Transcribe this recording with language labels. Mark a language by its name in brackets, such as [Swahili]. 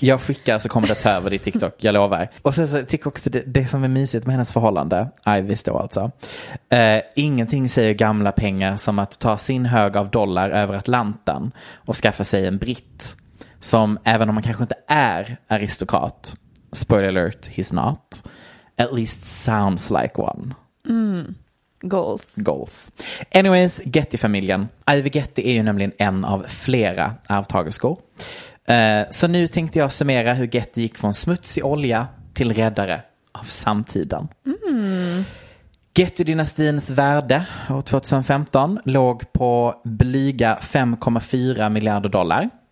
[Swedish] Nej, jag skickar så kommer det ta över ditt TikTok. Jag lovar. Och sen så tycker jag också det som är mysigt med hennes förhållande. Ivy då alltså. Ingenting säger gamla pengar som att ta sin hög av dollar över Atlanten och skaffa sig en britt. Som även om man kanske inte är aristokrat. [English] Spoiler alert, he's not. At least sounds like one. Goals. [Swedish] Anyways, Getty-familjen. Ivy Getty är ju nämligen en av flera arvtagerskor. Så nu tänkte jag summera hur Getty gick från smutsig olja till räddare av samtiden. Getty-dynastins värde år 2015 låg på blyga 5,4 miljarder dollar.